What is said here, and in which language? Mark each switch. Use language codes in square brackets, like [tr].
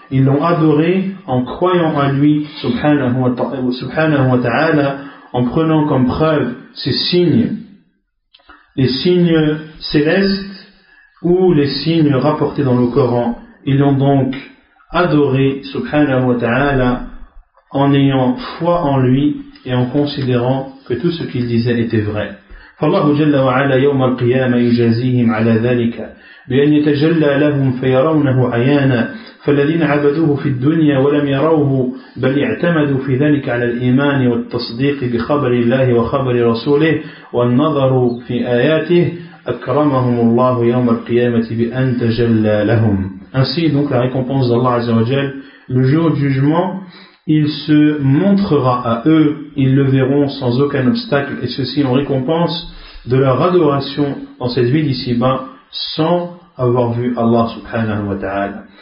[fr] Ils l'ont adoré en croyant à lui subhanahu wa ta'ala, en prenant comme preuve ses signes, les signes célestes ou les signes rapportés dans le Coran. Ils l'ont donc adorer subhanahu wa ta'ala en ayant foi en lui et en considérant que tout ce qu'il disait était vrai. [ar] فالله جل وعلا يوم القيامة يجازيهم على ذلك بأن يتجلى لهم فيرونه عيانا فالذين عبدوه في الدنيا ولم يروه بل اعتمدوا في ذلك على الإيمان والتصديق بخبر الله وخبر رسوله والنظر في آياته أكرمهم الله يوم القيامة بأن تجلى لهم. [fr] Ainsi donc la récompense d'Allah عز وجل, le jour du jugement, il se montrera à eux, ils le verront sans aucun obstacle, et ceci en récompense de leur adoration dans cette vie d'ici-bas, sans avoir vu Allah subhanahu wa ta'ala.